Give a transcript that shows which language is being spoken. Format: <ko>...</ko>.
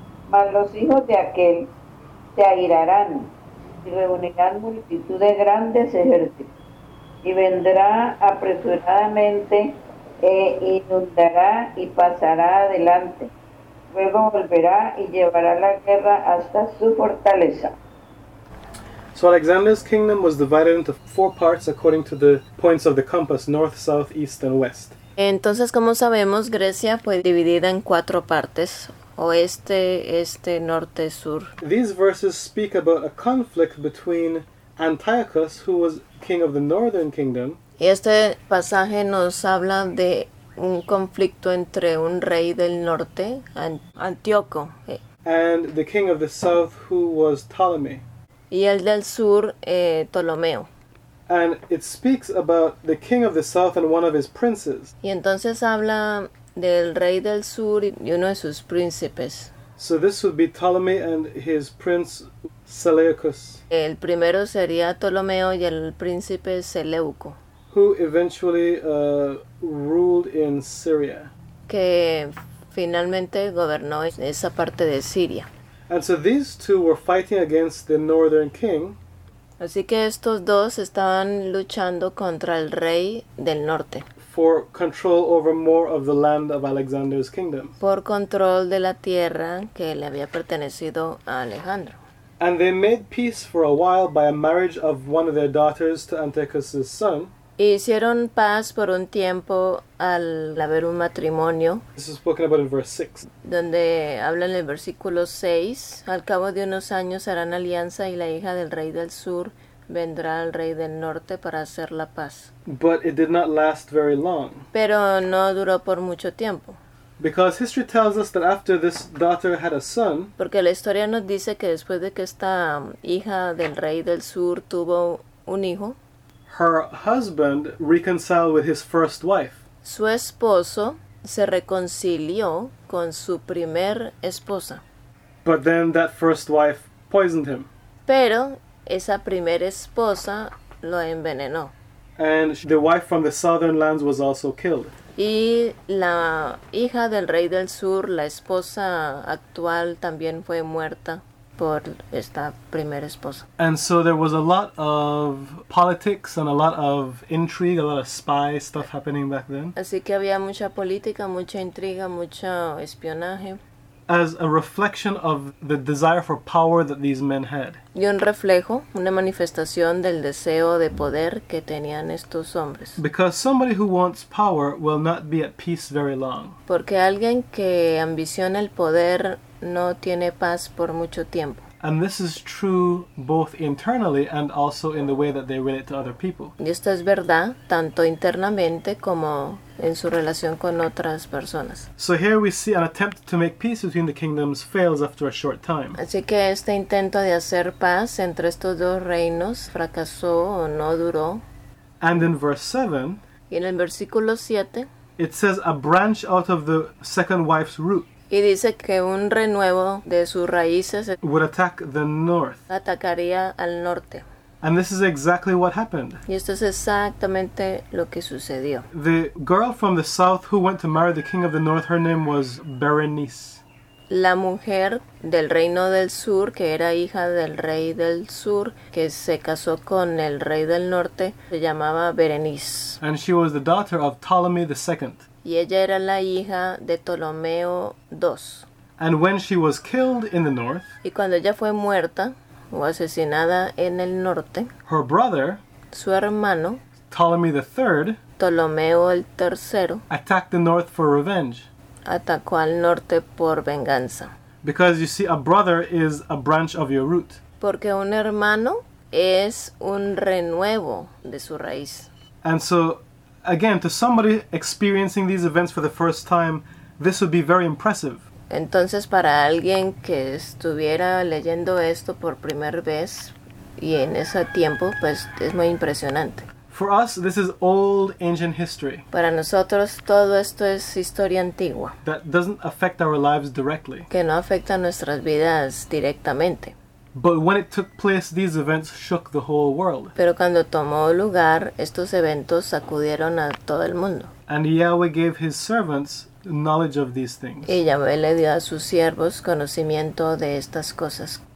<es>Mas los hijos de aquel se airarán y reunirán multitud de grandes ejércitos, y vendrá apresuradamente e inundará y pasará adelante. Luego volverá y llevará la guerra hasta su fortaleza.</es> <en>So Alexander's kingdom was divided into four parts according to the points of the compass, north, south, east, and west.</en> <es>Entonces, como sabemos, Grecia fue dividida en cuatro partes, oeste, este, norte, sur.</es> <en>These verses speak about a conflict between Antiochus, who was king of the northern kingdom,</en> <es>y este pasaje nos habla de un conflicto entre un rey del norte, Antíoco,</es> <en>and the king of the south, who was Ptolemy.</en> <es>Y el del sur, Ptolomeo.</es> <en>And it speaks about the king of the south and one of his princes.</en> <es>Y entonces habla del rey del sur y uno de sus príncipes.</es> <en>So this would be Ptolemy and his prince Seleucus.</en> <es>El primero sería Ptolomeo y el príncipe Seleuco.</es> <en>Who eventually ruled in Syria.</en> <es>Que finalmente gobernó esa parte de Siria.</es> <en>And so these two were fighting against the northern king.</en> <es>Así que estos dos estaban luchando contra el rey del norte.</es> <en>For control over more of the land of Alexander's kingdom.</en> <es>Por control de la tierra que le había pertenecido a Alejandro.</es> <en>And they made peace for a while by a marriage of one of their daughters to Antiochus' son.</en> <es>Hicieron paz por un tiempo al haber un matrimonio.</es> <en>This is spoken about in verse 6.</en> <es>Donde habla en el versículo 6, al cabo de unos años harán alianza y la hija del rey del sur vendrá al rey del norte para hacer la paz.</es> <en>But it did not last very long.</en> <es>Pero no duró por mucho tiempo.</es> <en>Because history tells us that after this daughter had a son.</en> <es>Porque la historia nos dice que después de que esta hija del rey del sur tuvo un hijo,</es> <en>her husband reconciled with his first wife.</en> <es>Su esposo se reconcilió con su primer esposa.</es> <en>But then that first wife poisoned him.</en> <es>Pero esa primer esposa lo envenenó.</es> <en>And the wife from the southern lands was also killed.</en> <es>Y la hija del rey del sur, la esposa actual, también fue muerta por esta primera esposa.</es> <en>And so there was a lot of politics and a lot of intrigue, a lot of spy stuff happening back then.</en> <es>Así que había mucha política, mucha intriga, mucho espionaje.</es> <en>As a reflection of the desire for power that these men had.</en> <es>Y un reflejo, una manifestación del deseo de poder que tenían estos hombres.</es> <en>Because somebody who wants power will not be at peace very long.</en> <es>Porque alguien que ambiciona el poder no tiene paz por mucho tiempo.</es> <en>And this is true both internally and also in the way that they relate to other people.</en> <es>Y esto es verdad, tanto internamente como en su relación con otras personas.</es> <en>So here we see an attempt to make peace between the kingdoms fails after a short time.</en> <es>Así que este intento de hacer paz entre estos dos reinos fracasó o no duró.</es> <en>And in verse 7,</en> <es>y en el versículo 7,</es> <en>it says a branch out of the second wife's root.</en> <es>Y dice que un renuevo de sus raíces</es> <en>would attack the north.</en> <es>Atacaría al norte.</es> <en>And this is exactly what happened.</en> <es>Y esto es exactamente lo que sucedió.</es> <en>The girl from the south who went to marry the king of the north, her name was Berenice.</en> <es>La mujer del reino del sur, que era hija del rey del sur, que se casó con el rey del norte, se llamaba Berenice.</es> <en>And she was the daughter of Ptolemy the second.</en> <es>Y ella era la hija de Ptolomeo II.</es> <en>And when she was killed in the north,</en> <es>y cuando ella fue muerta o asesinada en el norte,</es> <en>her brother,</en> <es>su hermano,</es> <en>Ptolemy the third,</en> <es>Ptolomeo el tercero,</es> <en>attacked the north for revenge.</en> <es>Atacó al norte por venganza.</es> <en>Because you see, a brother is a branch of your root.</en> <es>Porque un hermano es un renuevo de su raíz.</es> <en>And so, again, to somebody experiencing these events for the first time, this would be very impressive.</en> <es>Entonces, para alguien que estuviera leyendo esto por primera vez y en ese tiempo, pues es muy impresionante.</es> <en>For us, this is old, ancient history.</en> <es>Para nosotros, todo esto es historia antigua.</es> <en>That doesn't affect our lives directly.</en> <es>Que no afecta nuestras vidas directamente.</es> <en>But when it took place, these events shook the whole world.</en> <es>Pero cuando tomó lugar, estos eventos sacudieron a todo el mundo.</es> <en>And Yahweh gave his servants knowledge of these things.</en> <es>Y Yahweh le dio a sus siervos conocimiento de estas cosas.</es>